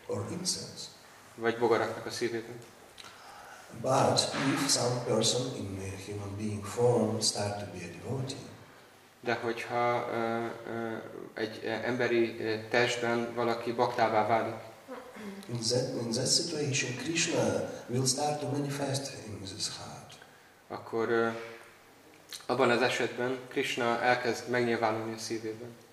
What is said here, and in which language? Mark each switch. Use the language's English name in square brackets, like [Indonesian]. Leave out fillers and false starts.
[English] Or incense. [Hungarian] Vagy bogaraknak a szívében. [English] But if some person in a human being form start to be a devotee. [Hungarian] De hogyha egy emberi testben valaki baktává válik. [English] In that situation Krishna will start to manifest in this heart. [Hungarian] Akkor abban az esetben Krishna elkezd megnyilvánulni a szívében.